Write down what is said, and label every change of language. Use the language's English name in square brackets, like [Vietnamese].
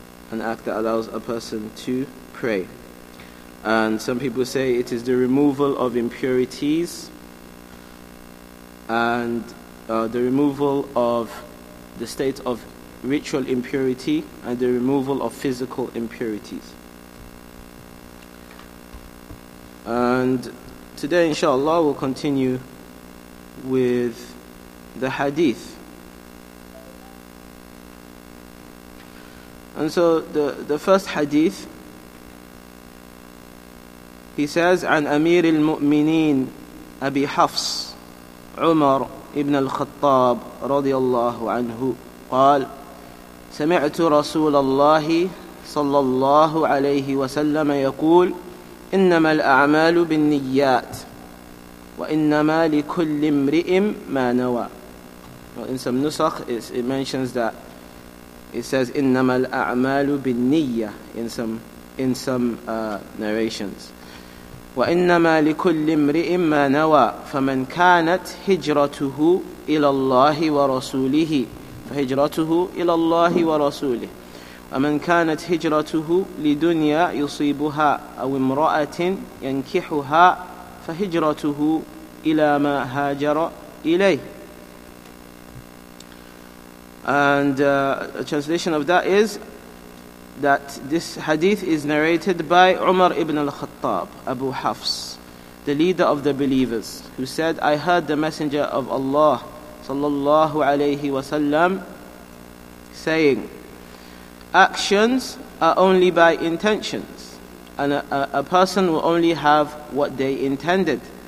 [English] An act that allows a person to pray. And some people say it is the removal of impurities and the removal of the state of ritual impurity and the removal of physical impurities. And today, inshallah, we'll continue with the hadith. And so the first hadith, he says, [Arabic] عن أمير المؤمنين أبي حفص عمر ابن الخطاب رضي الله عنه قال سمعت رسول الله صلى الله عليه وسلم يقول إنما الأعمال بالنيات وإنما لكل امرئ ما نوى. [English] In some نسخ it mentions that it says [Arabic] إنما الأعمال بالنية [English] in some narrations. [Arabic] وإنما لكل امرئ ما نوى فمن كانت هجرته إلى الله ورسوله فهجرته إلى الله ورسوله ومن كانت هجرته لدنيا يصيبها أو امرأة ينكحها فهجرته إلى ما هاجر إليه. [English] And a translation of that is that this hadith is narrated by Umar ibn al-Khattab, Abu Hafs, the leader of the believers, who said, I heard the Messenger of Allah sallallahu alayhi wa sallam saying, actions are only by intentions, and a person will only have what they intended.